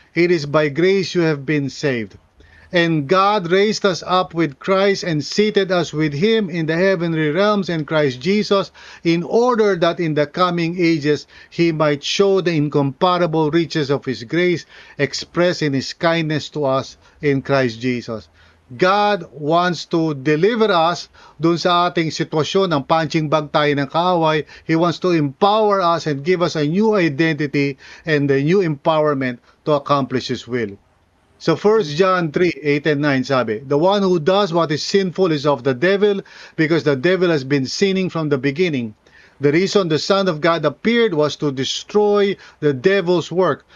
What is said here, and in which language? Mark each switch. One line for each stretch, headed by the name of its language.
English: It is by grace you have been saved. And God raised us up with Christ and seated us with Him in the heavenly realms in Christ Jesus, in order that in the coming ages He might show the incomparable riches of His grace expressed in His kindness to us in Christ Jesus. God wants to deliver us
Filipino: dun sa ating sitwasyon, ang punching bag tayo ng kaaway.
English: He wants to empower us and give us a new identity and a new empowerment to accomplish His will. So 1 John 3:8 and 9 sabi, the one who does what is sinful is of the devil, because the devil has been sinning from the beginning. The reason the Son of God appeared was to destroy the devil's work.